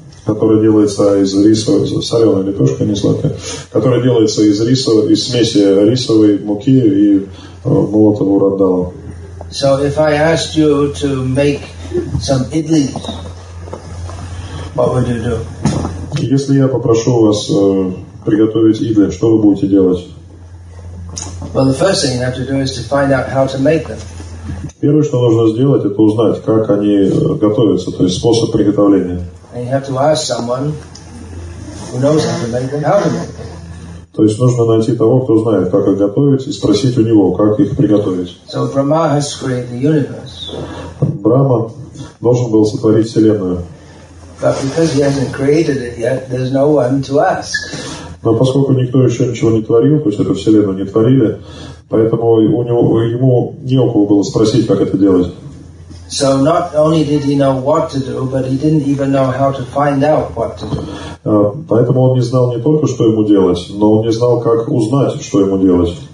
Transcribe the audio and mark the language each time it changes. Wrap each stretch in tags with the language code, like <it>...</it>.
<ru>Которая делается из рисовой, соленая лепешка, не сладкая, которая делается из риса, из смеси рисовой муки и молотого урандала.</ru> <en>So if I asked you to make some idli, what would you do?</en> <ru>Если я попрошу вас приготовить идли, что вы будете делать?</ru> <en>Well, the first thing you have to do is to find out how to make them.</en> <ru>Первое, что нужно сделать, это узнать, как они готовятся, то есть способ приготовления.</ru> <en>And you have to ask someone who knows how to make them, how to make them.</en> <ru>То есть нужно найти того, кто знает, как их готовить, и спросить у него, как их приготовить.</ru> <en>So Brahma has created the universe.</en> <ru>Брахма должен был сотворить вселенную.</ru> <en>But because he hasn't created it yet, there's no one to ask.</en> <ru>Но поскольку никто еще ничего не творил, то есть эту вселенную не творили, поэтому у него, ему не у кого было спросить, как это делать.</ru> <en>So not only did he know what to do, but he didn't even know how to find out what to do.</en> <ru>Поэтому он не знал не только, что ему делать, но он не знал, как узнать, что ему делать.</ru>